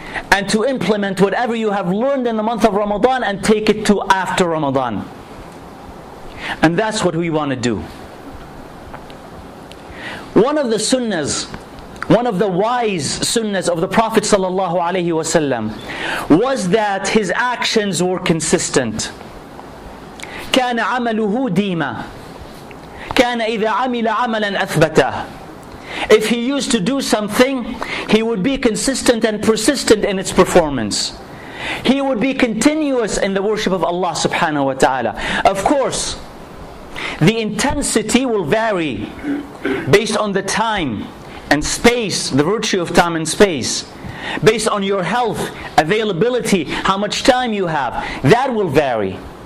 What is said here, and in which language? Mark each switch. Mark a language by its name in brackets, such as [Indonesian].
[English] And to implement whatever you have learned in the month of Ramadan and take it to after Ramadan. And that's what we want to do. One of the sunnahs, one of the wise sunnahs of the Prophet sallallahu alaihi wasallam, was that his actions were consistent. [Arabic] كان عمله ديما كان إذا عمل عملا أثبته. [English] If he used to do something, he would be consistent and persistent in its performance. He would be continuous in the worship of Allah subhanahu wa ta'ala. Of course, the intensity will vary based on the time and space, the virtue of time and space, based on your health, availability, how much time you have, that will vary.